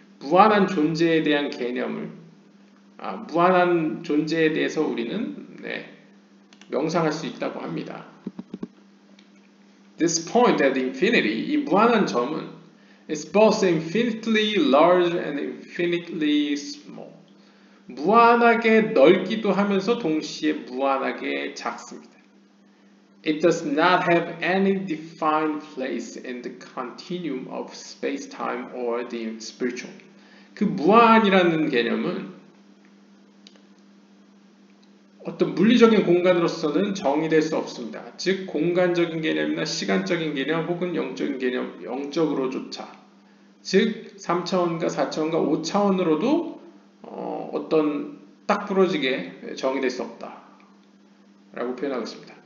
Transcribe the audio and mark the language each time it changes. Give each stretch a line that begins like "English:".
Korean: 무한한 존재에 대한 개념을 무한한 존재에 대해서 우리는 네, 명상할 수 있다고 합니다.
English: This point at infinity,
Korean: 이 무한한 점은
English: is both infinitely large and infinitely small.
Korean: 무한하게 넓기도 하면서 동시에 무한하게 작습니다.
English: It does not have any defined place in the continuum of space-time or the spiritual.
Korean: 그 무한이라는 개념은 어떤 물리적인 공간으로서는 정의될 수 없습니다. 즉, 공간적인 개념이나 시간적인 개념 혹은 영적인 개념, 영적으로조차. 즉, 3차원과 4차원과 5차원으로도 어떤 딱 부러지게 정의될 수 없다. 라고 표현하고 있습니다.